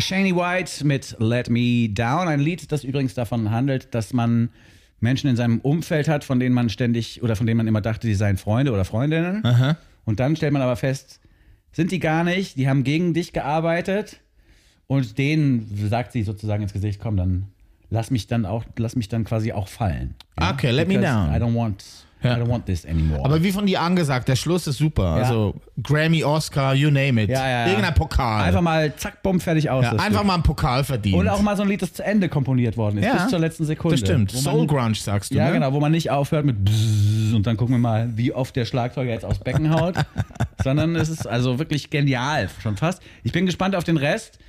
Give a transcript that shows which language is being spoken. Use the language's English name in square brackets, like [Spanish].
[German] White mit Let Me Down, ein Lied, das übrigens davon handelt, dass man Menschen in seinem Umfeld hat, von denen man ständig oder von denen man immer dachte, sie seien Freunde oder Freundinnen. Aha. Und dann stellt man aber fest, sind die gar nicht, die haben gegen dich gearbeitet und denen sagt sie sozusagen ins Gesicht, komm, dann lass mich dann quasi auch fallen. Ja? [English] Okay, let Because me down. I don't want this anymore. [German] Aber wie von dir angesagt, der Schluss ist super. Ja. Also [English] Grammy, Oscar, you name it. [German] Ja, ja, ja. Irgendein Pokal. Einfach mal zack, bumm, fertig aus. Ja, einfach mal einen Pokal verdient. Und auch mal so ein Lied, das zu Ende komponiert worden ist. Ja. Bis zur letzten Sekunde. Das stimmt. Soul Grunge, sagst du. Ja, ne? Genau. Wo man nicht aufhört mit Bzzz und dann gucken wir mal, wie oft der Schlagzeuger jetzt aufs Becken haut. Sondern es ist also wirklich genial. Schon fast. Ich bin gespannt auf den Rest.